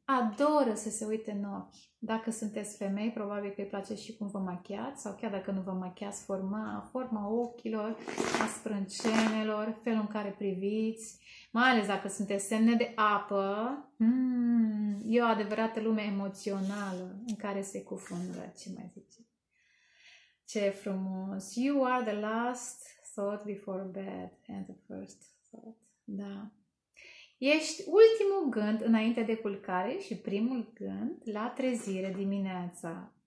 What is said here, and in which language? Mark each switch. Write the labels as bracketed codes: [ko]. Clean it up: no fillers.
[ro] Adoră să se uite în ochi. Dacă sunteți femei, probabil că îi place și cum vă machiați sau chiar dacă nu vă machiați, forma ochilor, a sprâncenelor, felul în care priviți. Mai ales dacă sunteți semne de apă. E o adevărată lume emoțională în care se cufundă. Ce mai zice? Ce frumos! [en] You are the last thought before bed and the first thought. [ro] Da. Ești ultimul gând înainte de culcare și primul gând la trezire dimineața.